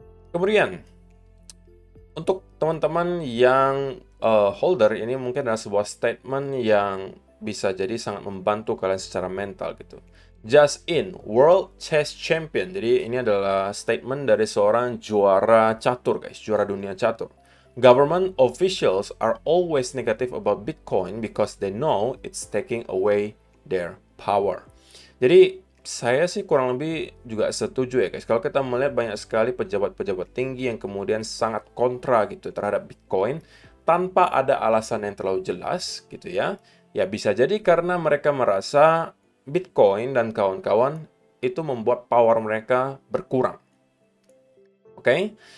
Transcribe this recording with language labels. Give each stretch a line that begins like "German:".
Indonesian: Kemudian untuk teman-teman yang holder, ini mungkin adalah sebuah statement yang bisa jadi sangat membantu kalian secara mental gitu.
English: Just in, World Chess Champion.
Indonesian: Jadi ini adalah statement dari seorang juara catur guys, juara dunia catur.
English: Government officials are always negative about Bitcoin because they know it's taking away their power.
Indonesian: Jadi saya sih kurang lebih juga setuju ya guys. Kalau kita melihat banyak sekali pejabat-pejabat tinggi yang kemudian sangat kontra gitu terhadap Bitcoin tanpa ada alasan yang terlalu jelas gitu ya. Ya bisa jadi karena mereka merasa Bitcoin dan kawan-kawan itu membuat power mereka berkurang. Oke?